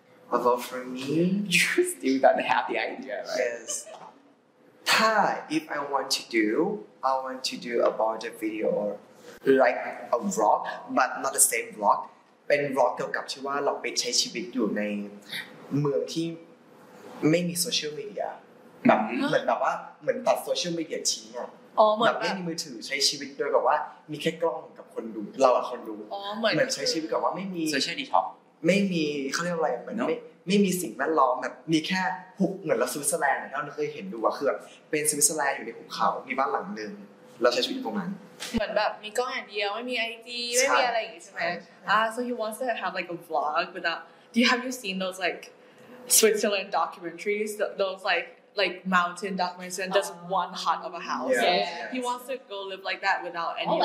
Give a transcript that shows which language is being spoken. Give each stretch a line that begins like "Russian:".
English: Although for me, you still don't have the idea, right? Yes. If I want to do, I want to do about a video or like a vlog, but not the same vlog.
Thai: เป็นvlog เกี่ยวกับที่ว่าเราไปใช้ชีวิตอยู่ใน เมืองที่ไม่มีโซเชียลมีเดียแบบเหมือนแบบว่าเหมือนตัดโซเชียลมีเดียทิ้ง อ๋อ แบบไม่มีมือถือใช้ชีวิตโดยแบบว่ามีแค่กล้องกับคนดูเราอะคนดู เหมือนใช้ชีวิตแบบว่าไม่มี โซเชียลดีท็อก ไม่มีเขาเรียกอะไรเหมือนไม่มีสิ่งแวดล้อมแบบมีแค่หุบเหมือนเราสวิตเซอร์แลนด์เนี่ยเราเคยเห็นดูว่าคือเป็นสวิตเซอร์แลนด์อยู่ในหุบเขามีบ้านหลังนึงเราใช้ชีวิตตรงนั้น เหมือนแบบมีกล้องอย่างเดียวไม่มี IG ไม่มีอะไรอย่างงี้ใช่มั้ย
English: so he wants to have like a vlog without do you have you seen those like Switzerland documentaries those like mountain documentaries and just one hut of a house yeah. Yeah. He wants to go live like that without any